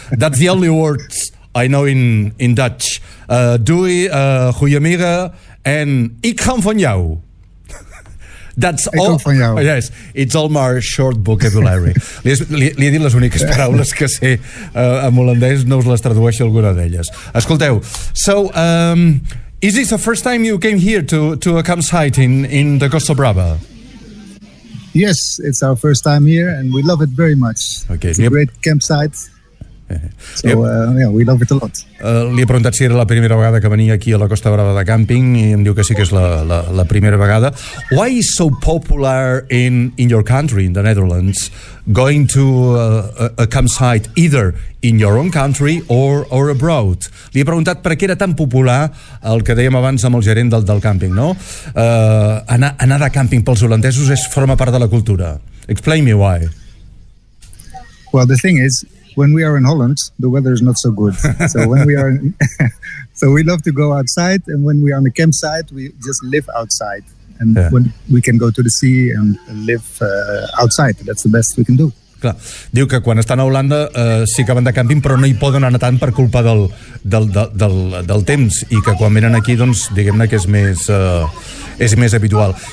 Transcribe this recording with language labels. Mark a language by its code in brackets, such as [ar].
[en] That's the only words I know in Dutch. [nl] Doei, goeiemiddag... And ik kom van jou. That's ik [en] all. [nl] Kom van jou. [en] Yes, it's all my short vocabulary. [ca] li he dit les úniques paraules que sé en holandès, no us les tradueixo alguna d'elles. Escolteu. [en] So, is this the first time you came here to a campsite in the Costa Brava? Yes, it's our first time here and we love it very much. Okay. It's a great campsite. So, yeah, we love it a lot. [ca] Li he preguntat si era la primera vegada que venia aquí a la Costa Brava de càmping i em diu que sí que és la primera vegada. [en] Why is so popular in your country, in the Netherlands, going to a campsite either in your own country or abroad? [ca] Li he preguntat per què era tan popular el que dèiem abans amb el gerent del càmping, no? Anar de càmping pels holandesos és forma part de la cultura. [en] Explain me why. Well, the thing is, when we are in Holland, the weather is not so good. So when we are, so we love to go outside, and when we are on a campsite, we just live outside, and yeah. When we can go to the sea and live outside, that's the best we can do. [ca] Clar. Diu que quan estan a Holanda sí que van de càmping, però no hi poden anar tant per culpa del temps, i que quan venen aquí, doncs, diguem-ne que és més habitual.